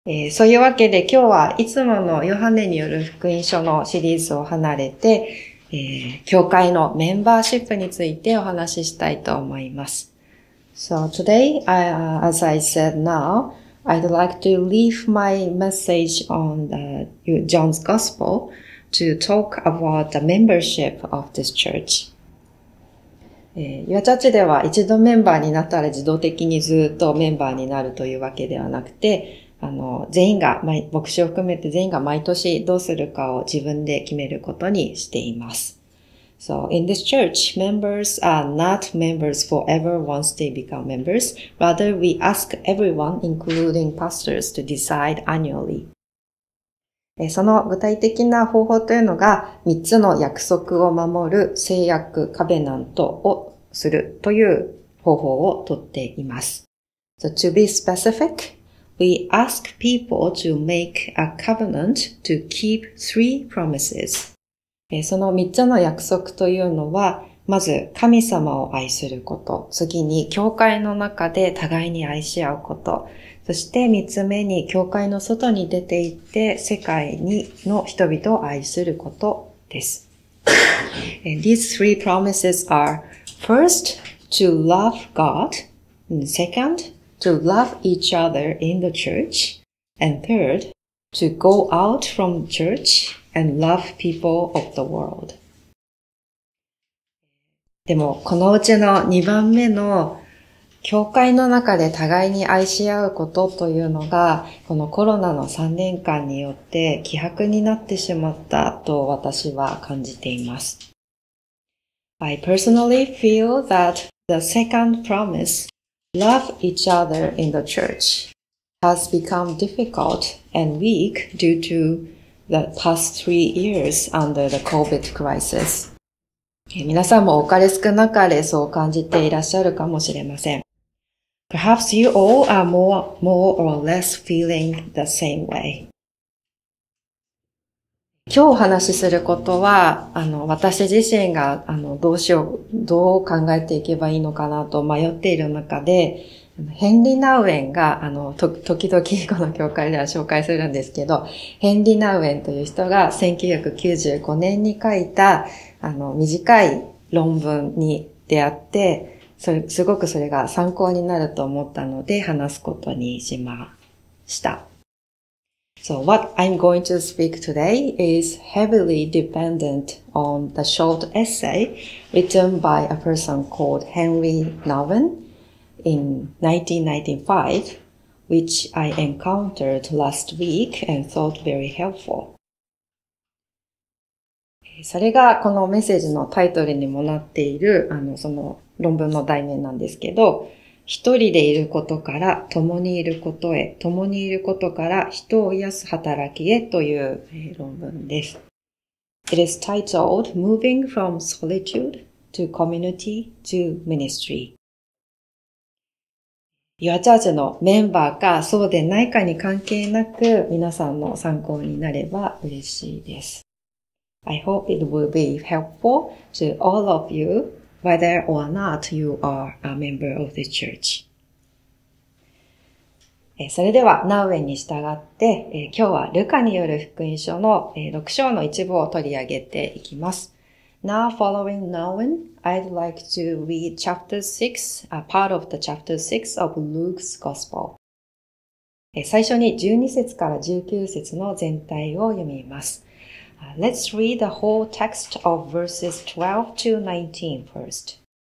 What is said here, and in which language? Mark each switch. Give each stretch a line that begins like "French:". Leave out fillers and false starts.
Japanese: そういうわけで今日はいつものヨハネによる福音書のシリーズを離れて、教会のメンバーシップについてお話ししたいと思います。
English: So today, as I said now, I'd like to leave my message on John's Gospel to talk about the membership of this church.
Japanese: ユアチャーチでは一度メンバーになったら自動的にずっとメンバーになるというわけではなくて、全員が、牧師を含めて全員が毎年どうするかを自分で決めることにしています。
English: So, in this church, members are not members forever once they become members. Rather, we ask everyone, including pastors, to decide annually.
Japanese: その具体的な方法というのが、3つの約束を守る誓約、カベナントをするという方法をとっています。
English: So, to be specific, we ask people to make a covenant to keep three promises.
Japanese: その3つの約束というのは、まず神様を愛すること、次に教会の中で互いに愛し合うこと、そして3つ目に教会の外に出て行って世界の人々を愛することです。
English: And these three promises are first, to love God, and second, to love each other in the church, and third, to go out from church and love people of the world.
Japanese: でも、このうちの2番目の教会の中で互いに愛し合うことというのが、このコロナの3年間によって希薄になってしまったと私は感じています。
English: I personally feel that the second promise, love each other in the church, has become difficult and weak due to the past 3 years under the COVID crisis.
Japanese: 皆さんも多かれ少なかれそう感じていらっしゃるかもしれません。
English: Perhaps you all are more or less feeling the same way.
Japanese: 今日お話しすることは、私自身が、どうしよう、どう考えていけばいいのかなと迷っている中で、ヘンリー・ナウエンが、時々この教会では紹介するんですけど、ヘンリー・ナウエンという人が1995年に書いた、短い論文に出会って、すごくそれが参考になると思ったので話すことにしました。
English: So, what I'm going to speak today is heavily dependent on the short essay written by a person called Henry Nouwen in 1995, which I encountered last week and thought very helpful.
Japanese: それがこのメッセージのタイトルにもなっている、その論文の題名なんですけど、一人でいることから共にいることへ、共にいることから人を癒す働きへという論文です。
English: It is titled Moving from Solitude to Community to Ministry.
Japanese: Your Church のメンバーかそうでないかに関係なく、皆さんの参考になれば嬉しいです。
English: I hope it will be helpful to all of you, whether or not you are a member of the church.
Japanese: それでは、ナウエンに従って、今日はルカによる福音書の6章の一部を取り上げていきます。
English: Now, following Nouwen, I'd like to read chapter 6, a part of the chapter 6 of Luke's Gospel.
Japanese: 最初に12節から19節の全体を読みます。
English: Let's read the whole text of verses 12 to 19 first.